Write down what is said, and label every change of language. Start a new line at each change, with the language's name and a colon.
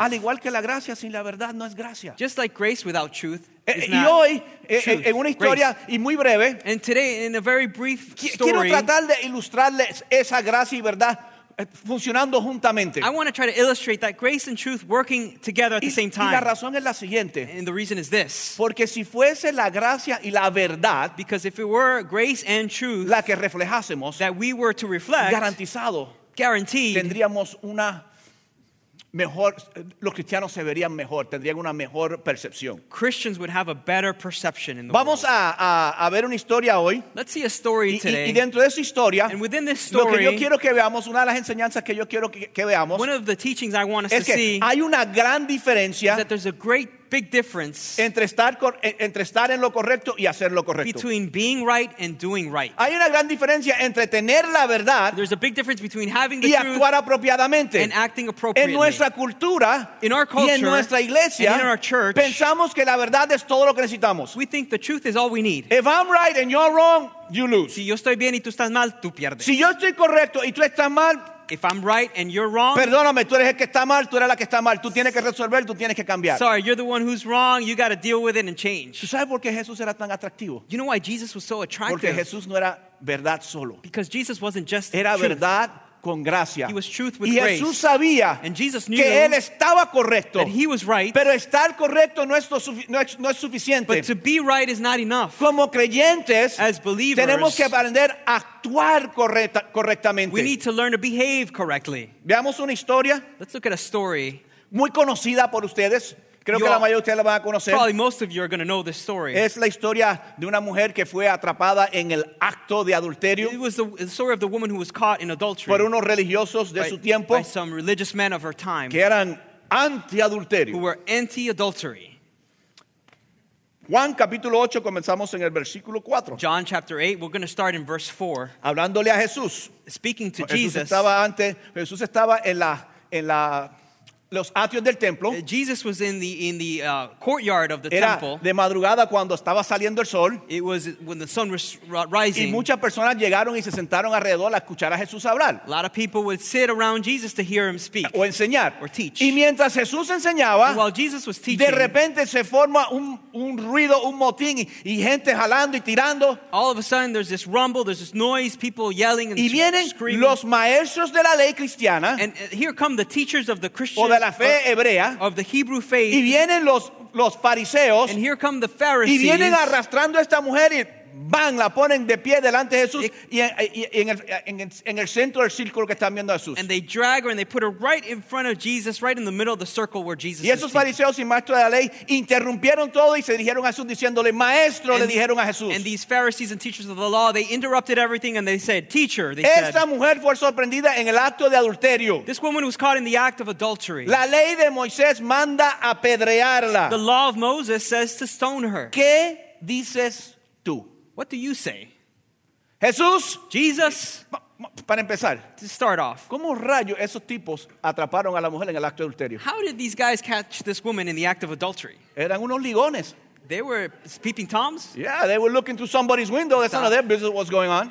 Spanish: Al igual que la gracia sin la verdad no es gracia.
English: Just like grace without truth.
Spanish: Y hoy, en una historia y muy breve,
English: and today in a very brief story,
Spanish: quiero tratar de ilustrarles esa gracia y verdad funcionando juntamente.
English: I want to try to illustrate that grace and truth working together at the same time.
Spanish: Y la razón es la siguiente.
English: And the reason is this.
Spanish: Porque si fuese la gracia y la verdad,
English: because if it were grace and truth,
Spanish: la que reflejásemos,
English: that we were to reflect,
Spanish: garantizado,
English: guaranteed,
Spanish: tendríamos una mejor, los cristianos se verían mejor, tendrían una mejor percepción.
English: Christians would have a better perception in the
Spanish: vamos
English: world.
Spanish: Vamos a ver una historia hoy.
English: Let's see a story
Spanish: y,
English: today.
Spanish: Y dentro de esa historia,
English: and within this story,
Spanish: lo que yo quiero que veamos, una de las enseñanzas que yo quiero que veamos,
English: one of the teachings I want us
Spanish: es
English: to
Spanish: que
English: see
Spanish: hay una gran diferencia
English: is that there's a great big difference
Spanish: entre estar en lo correcto y hacer lo correcto.
English: Between being right and doing right.
Spanish: Hay una gran diferencia entre tener la verdad,
English: there's a big difference between having the
Spanish: y actuar
English: truth
Spanish: apropiadamente.
English: And acting appropriately.
Spanish: En nuestra cultura,
English: in our culture,
Spanish: y en nuestra iglesia,
English: and in our church,
Spanish: pensamos que la verdad es todo lo que necesitamos.
English: We think the truth is all we need. If I'm right and you're wrong, you lose.
Spanish: Si yo estoy bien y tú estás mal, tú pierdes. Si yo estoy correcto y tú estás mal,
English: if I'm right and you're wrong,
Spanish: perdóname, tú eres el que está mal, tú eres la que está mal. Tú tienes que resolver, tú tienes que cambiar.
English: Sorry, you're the one who's wrong. You got to deal with it and change.
Spanish: ¿Tú sabes por qué Jesús era tan atractivo?
English: You know why Jesus was so attractive?
Spanish: Porque Jesús no era verdad solo.
English: Because Jesus wasn't just
Spanish: era
English: truth.
Spanish: Verdad con gracia.
English: He was truth with
Spanish: y
English: grace.
Spanish: Y Jesús sabía que él estaba correcto.
English: That he was right.
Spanish: Pero estar correcto no es suficiente.
English: But to be right is not enough.
Spanish: Como creyentes,
English: as believers,
Spanish: tenemos que aprender a actuar correctamente.
English: We need to learn to behave correctly.
Spanish: Veamos una historia.
English: Let's look at a story.
Spanish: muy conocida por ustedes. Creo que la mayoría de ustedes la van a conocer.
English: Probably most of you are going to know this story.
Spanish: Es la historia de una mujer que fue atrapada en el acto de adulterio.
English: It was the story of the woman who was caught in adultery.
Spanish: Por unos religiosos de su tiempo.
English: By some religious men of her time.
Spanish: Que eran anti-adulterio.
English: Who were anti-adultery.
Spanish: Juan capítulo 8, comenzamos en el versículo 4.
English: John chapter 8, we're going to start in verse 4.
Spanish: Hablándole a Jesús.
English: Speaking to Jesus.
Spanish: Jesús estaba antes, Jesús estaba en la los atrios del templo.
English: Jesus was in the courtyard of the
Spanish: era
English: temple.
Spanish: De madrugada cuando estaba saliendo el sol.
English: It was when the sun was rising.
Spanish: Y muchas personas llegaron y se sentaron alrededor a escuchar a Jesús hablar.
English: A lot of people would sit around Jesus to hear him speak.
Spanish: O enseñar.
English: Or teach.
Spanish: Y mientras Jesús enseñaba,
English: while Jesus was teaching,
Spanish: de repente se forma un ruido, un motín y gente jalando y tirando.
English: All of a sudden there's this rumble, there's this noise, people yelling and screaming.
Spanish: los maestros de la ley cristiana.
English: And here come the teachers of the Christian
Spanish: de la fe hebrea,
English: of the Hebrew faith,
Spanish: y vienen los fariseos,
English: and here come the Pharisees,
Spanish: y vienen arrastrando a esta mujer y van, la ponen de pie delante de Jesús y en el centro del círculo que están viendo a Jesús.
English: And they drag her and they put her right in front of Jesus, right in the middle of the circle where Jesus is.
Spanish: Y esos fariseos y maestros de la ley interrumpieron todo y se dirigieron a Jesús diciéndole, maestro, le dijeron a Jesús.
English: And these Pharisees and teachers of the law, they interrupted everything and they said, teacher, they said.
Spanish: Esta mujer fue sorprendida en el acto de adulterio.
English: This woman was caught in the act of adultery.
Spanish: La ley de Moisés manda apedrearla.
English: The law of Moses says to stone her.
Spanish: ¿Qué dices tú?
English: What do you say?
Spanish: Jesús.
English: Jesus.
Spanish: Para empezar.
English: To start off.
Spanish: ¿Cómo rayos esos tipos atraparon a la mujer en el acto de adulterio?
English: How did these guys catch this woman in the act of adultery?
Spanish: Eran unos ligones.
English: They were peeping toms? Yeah, they were looking through somebody's window. That's none of their business what's going on.